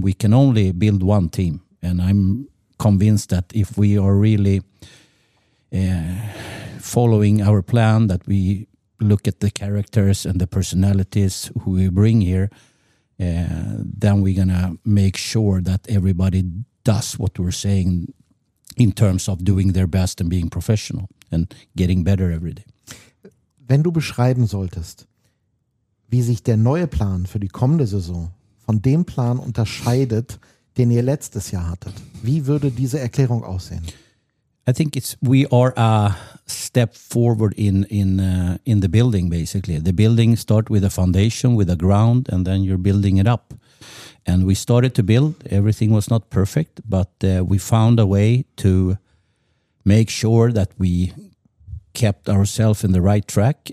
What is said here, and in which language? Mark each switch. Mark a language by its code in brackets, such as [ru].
[en] We can only build one team, and I'm convinced that if we are really following our plan, that we look at the characters and the personalities who we bring here, then we're gonna make sure that everybody does what we're saying in terms of doing their best and being professional and getting better every day. [de] Wenn du beschreiben solltest, wie sich der neue Plan für die kommende Saison von dem Plan unterscheidet, den ihr letztes Jahr hattet, wie würde diese Erklärung aussehen? [en] I think we are a step forward in the building, basically. The building starts with a foundation, with a ground, and then you're building it up. And we started to build. Everything was not perfect, but we found a way to make sure that we kept ourselves in the right track.